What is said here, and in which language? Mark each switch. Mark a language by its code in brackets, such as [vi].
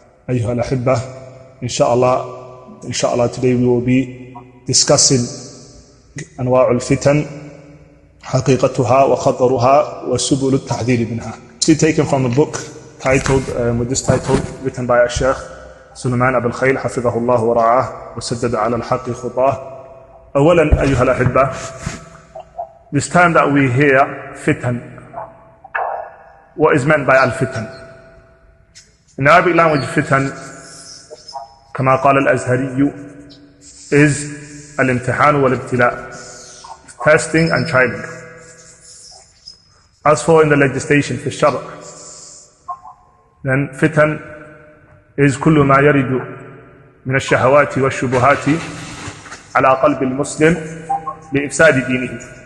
[ar] أيها الأحبة، إن شاء الله [en] today we will be discussing [ar] أنواع الفتن، حقيقتها وخطرها وسبل التحذير منها. [en] It's taken from a book titled, written by [ar] الشيخ سليمان أبو الخيل حفظه الله ورعاه وسدد على الحق خطاه. أولا أيها الأحبة، [en] this time that we hear fitan, what is meant by al-fitan? In Arabic language, fitan, [ar] كما قال الأزهري, [en] is [ar] الامتحان والابتلاء, [en] testing and trying. As for in the legislation, [ar] في الشرع, [en] then fitan is [ar] كل ما يرد من الشهوات والشبهات على قلب المسلم لإفساد دينه.